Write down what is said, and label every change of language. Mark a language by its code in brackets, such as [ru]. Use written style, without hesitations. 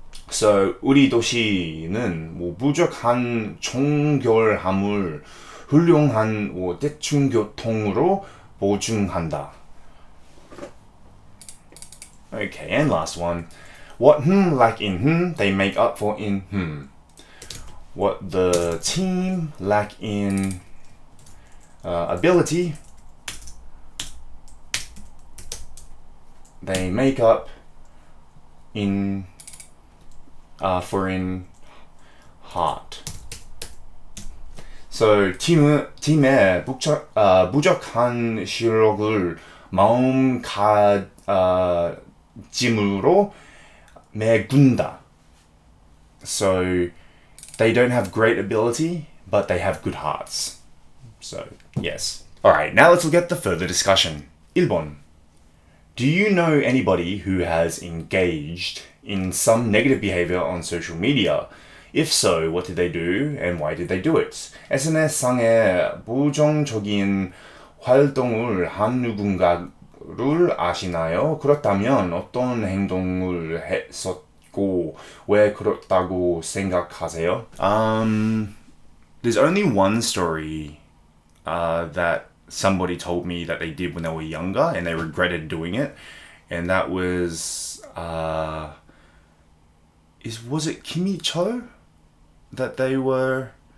[ko] So 우리 도시는 뭐 부족한 청결함을 훌륭한 뭐 대중교통으로 보충한다. [en] Okay, and last one. What hmm lack in hmm, they make up for in hmm. What the team lack in ability, they make up in for in heart. [ko] So 팀의 부족한 실력을 마음가짐으로 매군다. [en] So they don't have great ability, but they have good hearts. So, yes. Alright, now let's look at the further discussion. [ko] 1번. [en] Do you know anybody who has engaged in some negative behavior on social media? If so, what did they do and why did they do it? [ko] SNS상에 부정적인 활동을 한 누군가를 아시나요? 그렇다면 어떤 행동을 했었 [en] There's only one story that somebody told me that they did when they were younger and they regretted doing it, and that was was it Kimmy Cho that they were,